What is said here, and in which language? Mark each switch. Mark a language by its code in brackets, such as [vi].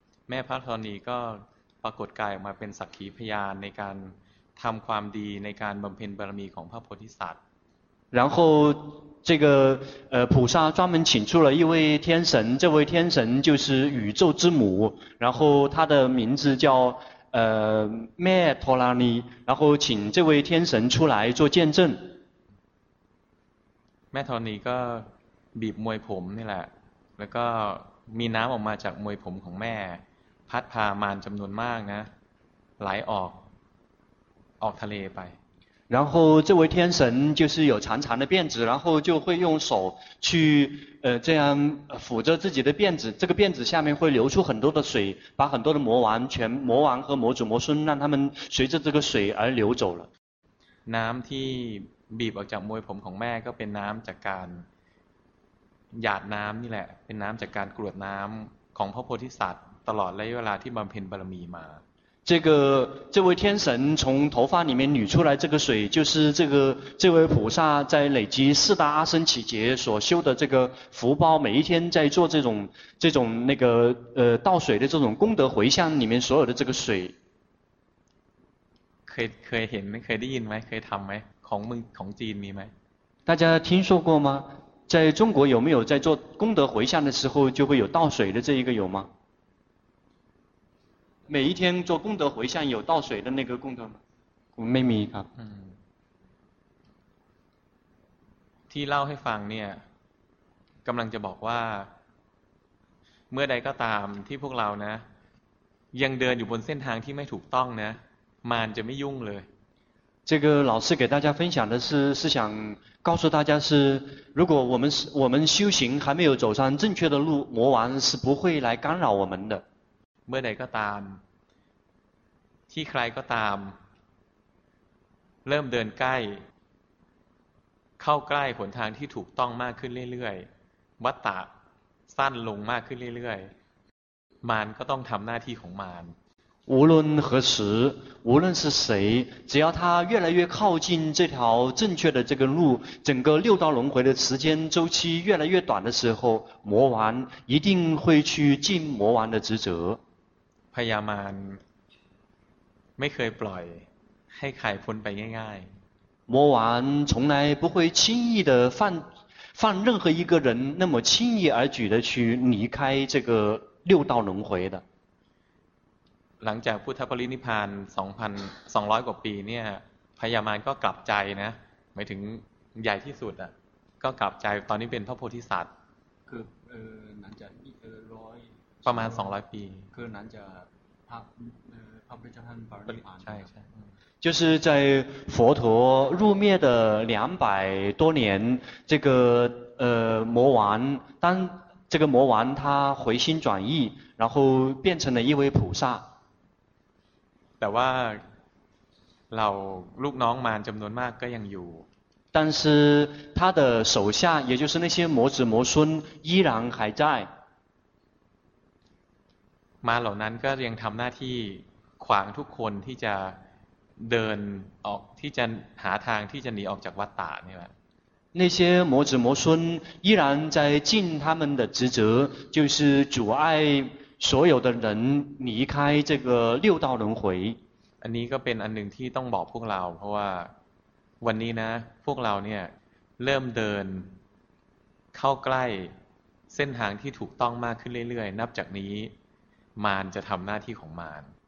[th] แม่พระธรณีก็ปรากฏกายออกมาเป็นสักขีพยานในการทำความดีในการบำเพ็ญบารมีของพระโพธิสัตว์ [zh] 然后这个菩萨专门请出了一位天神这位天神就是宇宙之母然后他的名字叫แม่ธรณี然后请这位天神出来做见证 [th] แม่ธรณีก็บีบมวยผมนี่แหละแล้วก็มีน้ำออกมาจากมวยผมของแม่พัดพามารจำนวนมากนะไหลออกทะเลไป [zh] 然后这位天神就是有长长的辫子然后就会用手去这样抚着自己的辫子这个辫子下面会流出很多的水把很多的魔王和魔祖魔孙让他们随着这个水而流走了 [th] น้ำที่บีบออกจากมวยผมของแม่ก็เป็นน้ำจากการหยาดน้ำนี่แหละเป็นน้ำจากการกรวดน้ำของพระโพธิสัตว์ตลอดระยะเวลาที่บำเพ็ญบารมีมา [zh] 这位天神从头发里面捋出来这个水，就是这位菩萨在累积四大阿僧祇劫所修的这个福报，每一天在做这种那个倒水的这种功德回向里面所有的这个水。可以见吗？可以听吗？可以做吗？ [th] ของมึงของจีนมีไหม？ [zh] 大家听说过吗？在中国有没有在做功德回向的时候就会有倒水的这一个有吗？每一天做功德回向有倒水的那个功德吗？ [th] ไม่มีครับ。 嗯。 ที่เล่าให้ฟังเนี่ยกำลังจะบอกว่าเมื่อใดก็ตามที่พวกเรานะยังเดินอยู่บนเส้นทางที่ไม่ถูกต้องนะมารจะไม่ยุ่งเลย [zh] 这个老师给大家分享的是想告诉大家是如果我们修行还没有走上正确的路魔王是不会来干扰我们的 [th] เมื่อใดก็ตามที่ใครก็ตามเริ่มเดินใกล้เข้าใกล้หนทางที่ถูกต้องมากขึ้นเรื่อยๆวัฏฏะสั้นลงมากขึ้นเรื่อยๆมารก็ต้องทำหน้าที่ของมาร [zh] 无论何时无论是谁只要他越来越靠近这条正确的这个路整个六道轮回的时间周期越来越短的时候魔王一定会去尽魔王的职责 [th] พญามารไม่เคยปล่อยให้ใครพ้นไปง่าย [zh] ๆ魔王从来不会轻易的放任何一个人那么轻易而举的去离开这个六道轮回的 [th] หลังจากพุทธปรินิพพาน 2,200 กว่าปีเนี่ยพญามารก็กลับใจนะหมายถึงใหญ่ที่สุดอ่ะก็กลับใจตอนนี้เป็นพระโพธิสัตว์คือหลังจากที่100 ประมาณ200ปี คือหลังจากพระพุทธเจ้าท่านปรินิพพาน ใช่ [zh] ๆ就是在佛陀入灭的200多年这个魔王当这个魔王他回心转意然后变成了一位菩萨 [th] แต่ว่าเราลูกน้องมารจำนวนมากก็ยังอยู่ [zh] 但是他的手下也就是那些魔子魔孙依然还在 [th] มารเหล่านั้นก็ยังทำหน้าที่ขวางทุกคนที่จะเดินออกที่จะหาทางที่จะหนีออกจากวัฏฏะนี่แหละ [zh] 那些魔子魔孙依然在尽他们的职责就是阻碍所有的人离开这个六道轮回 [th] อันนี้ก็เป็นอันหนึ่งที่ต้องบอกพวกเราเพราะว่าวันนี้นะพวกเราเนี่ยเริ่มเดินเข้าใกล้เส้นทางที่ถูกต้องมากขึ้นเรื่อยๆนับจากนี้มารจะทำหน้าที่ของมาร